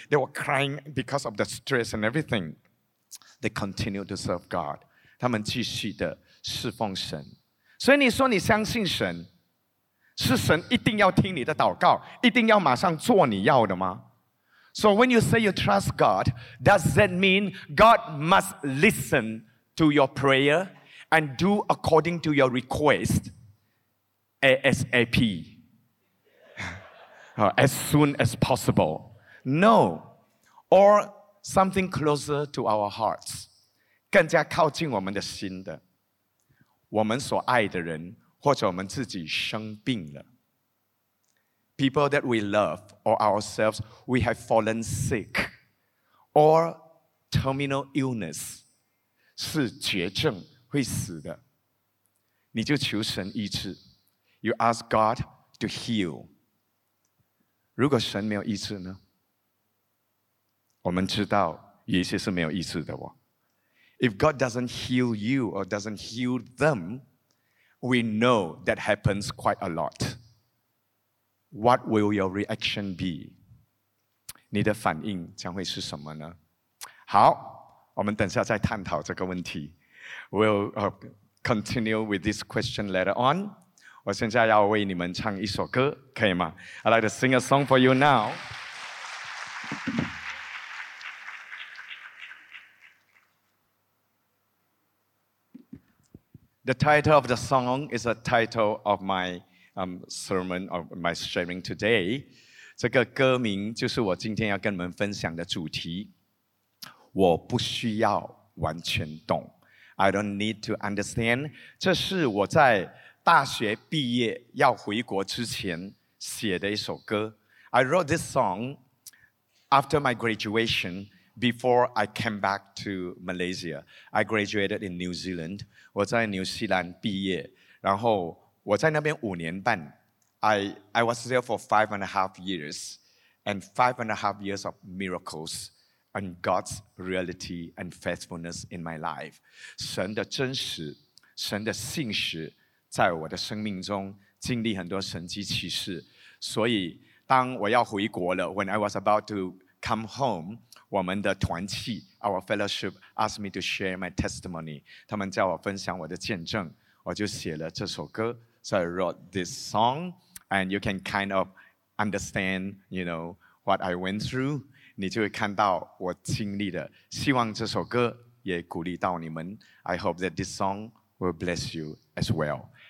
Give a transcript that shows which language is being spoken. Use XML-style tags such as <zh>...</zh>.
<en>They were crying because of the stress and everything. They continued to serve God.</en> <zh>他们继续的侍奉神。所以你说你相信神, 是神一定要听你的祷告, 一定要马上做你要的吗?</zh> <en>So when you say you trust God, does that mean God must listen to your prayer and do according to your request? ASAP, as soon as possible. No, or something closer to our hearts,</en> <zh>更加靠近我们的心的。我们所爱的人,或者我们自己生病了。</zh> <en>People that we love, or ourselves, we have fallen sick, or terminal illness,</en> <zh>是绝症会死的, 你就求神医治,</zh> <en>you ask God to heal.</en> <zh>如果神没有医治呢? 我们知道有一些是没有医治的,</zh> <en>if God doesn't heal you or doesn't heal them, we know that happens quite a lot. What will your reaction be?</en> <zh>你的反应将会是什么呢?好, 我们等下再探讨这个问题。</zh> <en>We'll continue with this question later on.</en> <zh>我现在要为你们唱一首歌, 可以吗?</zh> <en>I'd like to sing a song for you now. The title of the song is the title of my sermon, of my sharing today.</en> <zh>这个歌名就是我今天要跟你们分享的主题。我不需要完全懂,</zh> <en>I don't need to understand.</en> <zh>这是我在大学毕业要回国之前写的一首歌。</zh> <en>I wrote this song after my graduation, before I came back to Malaysia. I graduated in New Zealand.</en> <zh>我在纽西兰毕业, 然后我在那边五年半,</zh> <en>I was there for 5.5 years, and 5.5 years of miracles and God's reality and faithfulness in my life.</en> <zh>神的真实, 神的信实, 在我的生命中经历很多神迹奇事。所以当我要回国了,</zh> <en>when I was about to come home,</en> <zh>我们的团契,</zh> <en>our fellowship asked me to share my testimony.</en> <zh>他们叫我分享我的见证, 我就写了这首歌,</zh> <en>so I wrote this song, and you can kind of understand, you know, what I went through.</en> <zh>你就会看到我经历的,希望这首歌也鼓励到你们.</zh> <en>I hope that this song will bless you as well.</en>